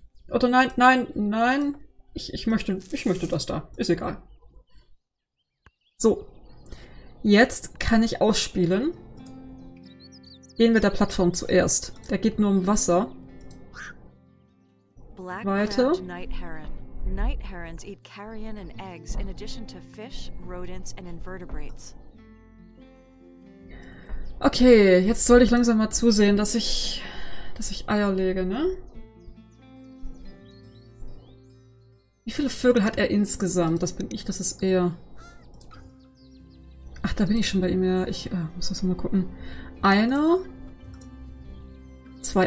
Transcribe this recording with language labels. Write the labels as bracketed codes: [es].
[de] Oder nein, nein, nein. Ich möchte das da. Ist egal. So. Jetzt kann ich ausspielen. Gehen wir der Plattform zuerst. Da geht nur um Wasser. Weiter. [en] Night herons eat carrion and eggs in addition to fish, rodents and invertebrates. [de] Okay, jetzt sollte ich langsam mal zusehen, dass ich Eier lege, ne? Wie viele Vögel hat er insgesamt? Das bin ich, das ist er. Ach, da bin ich schon bei ihm, ja. Ich muss das mal gucken. Einer. Zwei.